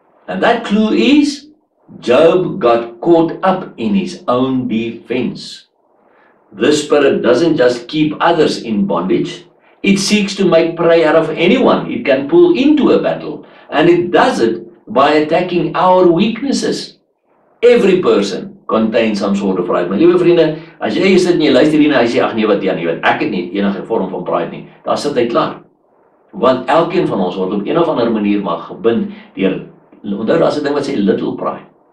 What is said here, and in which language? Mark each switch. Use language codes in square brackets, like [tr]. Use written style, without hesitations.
[en] And that clue is, Job got caught up in his own defense. This spirit doesn't just keep others in bondage. It seeks to make prey out of anyone it can pull into a battle. And it does it by attacking our weaknesses. Every person contains some sort of pride. [af] My liewe vriende, as jy sit en jy luister hierna, hy sê, ach nee, wat jy aan nie, want ek het nie enige vorm van pride nie. Daar sit hy klaar. Want elkeen van ons word op een of ander manier maar gebind deur, onthou daar is een ding wat sê [en] little pride.